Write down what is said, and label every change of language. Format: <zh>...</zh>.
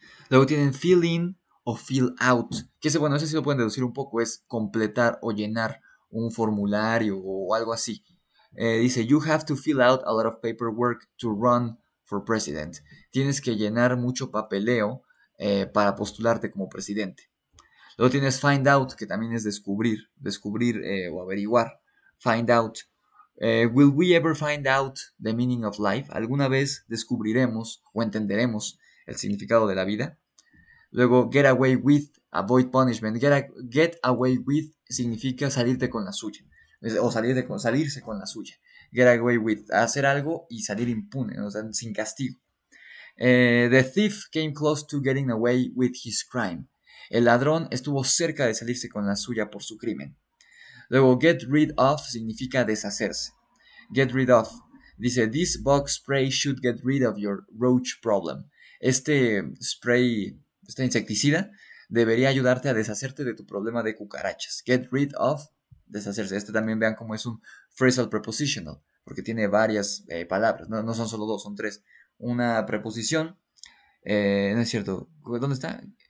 <es>Luego tienen fill in o fill out. Que ese, bueno, ese sí lo pueden deducir un poco, es completar o llenar un formulario o algo así.</es> <en>Dice, you have to fill out a lot of paperwork to run for president.</en> <es>Tienes que llenar mucho papeleo para postularte como presidente. Luego tienes find out, que también es descubrir, descubrir o averiguar.</es> <en>Find out. Will we ever find out the meaning of life?</en> <es>¿Alguna vez descubriremos o entenderemos el significado de la vida?</es> <en>Luego, get away with, avoid punishment. Get away with</en> <es>significa salirte con la suya. O salirse con la suya. Get away with, hacer algo y salir impune, o sea, sin castigo.</es> <en>The thief came close to getting away with his crime.</en> <es>El ladrón estuvo cerca de salirse con la suya por su crimen. Luego, get rid of significa deshacerse. Get rid of.</es> <en>Dice, this bug spray should get rid of your roach problem.</en> <es>Este spray, este insecticida, debería ayudarte a deshacerte de tu problema de cucarachas. Get rid of, deshacerse. Este también vean cómo es un phrasal prepositional, porque tiene varias palabras. No, no son solo dos, son tres. Una preposición, no es cierto. ¿Dónde está?</es>